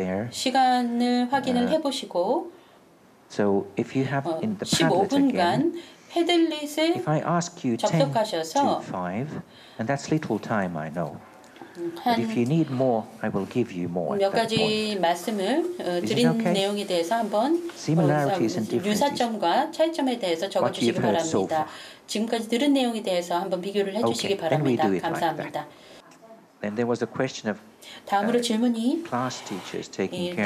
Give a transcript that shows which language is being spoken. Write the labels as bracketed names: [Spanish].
[Korean] 시간을 확인을 해보시고 [English] So if you have in the Padlet again, if I ask you 10 to 5, and that's little time, I know. But if you need more, I will give you more. [Korean] 몇 가지 말씀을 드린 okay? 내용에 대해서 한번 유사점과 차이점에 대해서 적어주시기 바랍니다. So 지금까지 들은 내용에 대해서 한번 비교를 해주시기 okay, 바랍니다. 감사합니다. [English] Like and there was a question of [Korean] 다음으로 질문이 [English] class teachers taking care